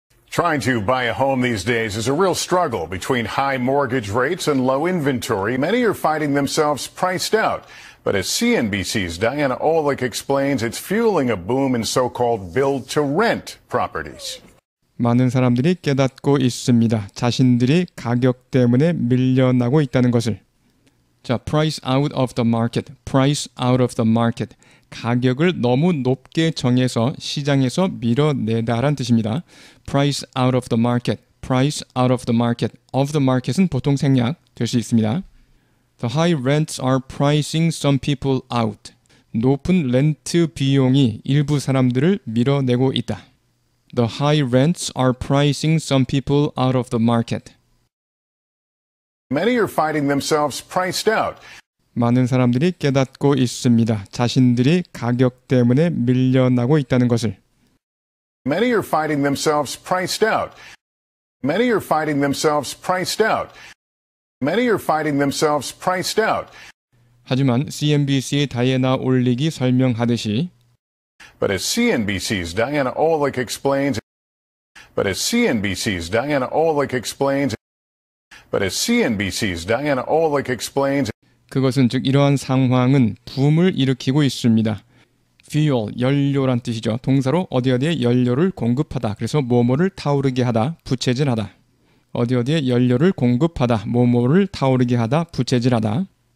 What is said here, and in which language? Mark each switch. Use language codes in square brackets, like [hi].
[en] Trying to buy a home these days is a real struggle between high mortgage rates and low inventory. Many are finding themselves priced out. But as CNBC's Diana Olick explains, it's fueling a boom in so-called build-to-rent properties. [ko] 많은 사람들이 깨닫고 있습니다. 자신들이 가격 때문에 밀려나고 있다는 것을. [en] 자, price out of the market. Price out of the market. [ko] 가격을 너무 높게 정해서 시장에서 밀어내다란 뜻입니다. [en] Price out of the market. Price out of the market. Of the market은 [ko] 보통 생략 될 수 있습니다. [en] The high rents are pricing some people out. [ko] 높은 렌트 비용이 일부 사람들을 밀어내고 있다. [en] The high rents are pricing some people out of the market. Many are finding themselves priced out. [ko] 많은 사람들이 깨닫고 있습니다. 자신들이 가격 때문에 밀려나고 있다는 것을. [en] Many are finding themselves priced out. Many are finding themselves priced out. Many are finding themselves priced out. [ko] 하지만 CNBC의 다이애나 올릭이 설명하듯이 [en] But as CNBC's Diana Olick explains But as CNBC's Diana Olick explains But as CNBC's Diana Olick explains [ko] 그것은 즉 이러한 상황은 붐을 일으키고 있습니다. Fuel, 연료란 뜻이죠. 동사로 어디어디에 연료를 공급하다. 그래서 뭐뭐를 타오르게 하다, 부채질하다. 어디어디에 연료를 공급하다, 뭐뭐를 타오르게 하다, 부채질하다.